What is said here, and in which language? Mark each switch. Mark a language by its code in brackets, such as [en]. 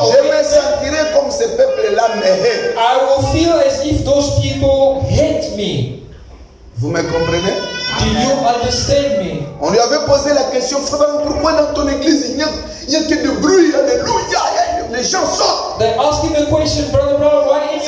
[fr] je me sentirai comme ce peuple-là me hate. [en] I will feel as if those people hate me. [fr] Vous me comprenez? [en] Do you understand me? [fr] On lui avait posé la question, Frère Branham, pourquoi dans ton église il y a que du bruit, alléluia, les gens sortent. [en] They're asking the question, Brother Branham, why is